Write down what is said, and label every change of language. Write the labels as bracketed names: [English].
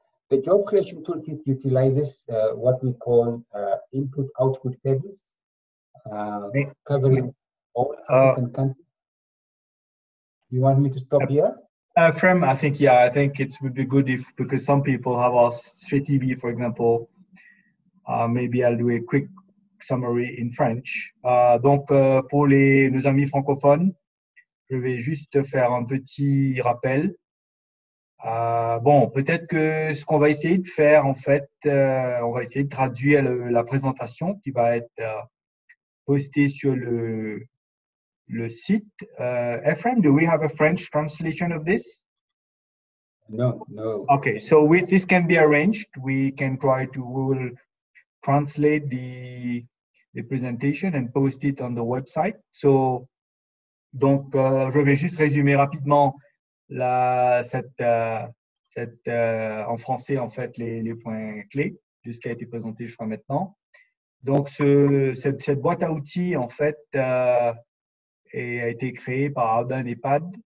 [English] The job creation toolkit utilizes what we call input-output tables, covering all African countries. You want me to stop here? Frem, I think, yeah, I think it would be good if, because some people have asked, Shri TV, for example, maybe I'll do a quick summary in French. [French] Donc, pour les nos amis francophones, je vais juste faire un petit rappel. Bon, peut-être que ce qu'on va essayer de faire, en fait, on va essayer de traduire la présentation qui va être postée sur le site. [English] Ephraim, do we have a French translation of this? No, no. Okay, so with this can be arranged. We can try to, we will translate the presentation and post it on the website. [French] So, donc, je vais juste résumer rapidement en français, en fait, les points clés de ce qui a été présenté jusqu'à maintenant. Donc, cette boîte à outils, en fait, a été créée par Ardan et Pad.